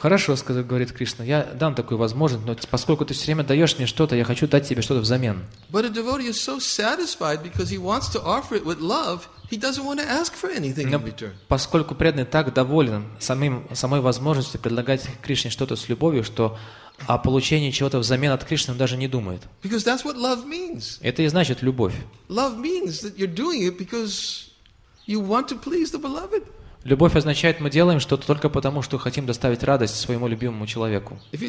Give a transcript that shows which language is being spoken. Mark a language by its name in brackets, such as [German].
[Russian] Хорошо, сказал, говорит Кришна, я дам такую возможность, но поскольку ты все время даешь мне что-то, я хочу дать тебе что-то взамен. [English] But a devotee is so satisfied because he wants to offer it with love. He doesn't want to ask for anything in return. [Russian] Поскольку преданный так доволен самой возможностью предлагать Кришне что-то с любовью, что о получении чего-то взамен от Кришны он даже не думает. [English] Because that's what love means. [Russian] Это и значит любовь. [English] Love means that you're doing it because you want to please the beloved. [Russian] Любовь означает, мы делаем что-то только потому, что хотим доставить радость своему любимому человеку.